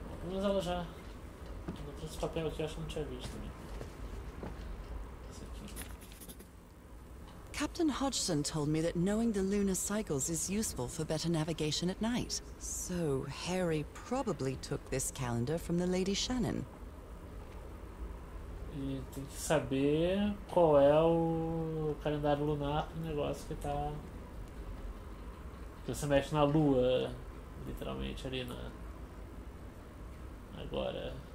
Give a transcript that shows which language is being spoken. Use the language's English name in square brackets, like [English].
[Portuguese] Mas ela já. Eu trouxe esse papel aqui, eu acho que não tinha visto também. Esse aqui. [English] Captain Hodgson told me that knowing the lunar cycles is useful for better navigation at night. So Harry probably took this calendar from the Lady Shannon. [Portuguese] E tem que saber qual é o calendário lunar pro negócio que tá. Que você mexe na lua, literalmente, ali na. Agora.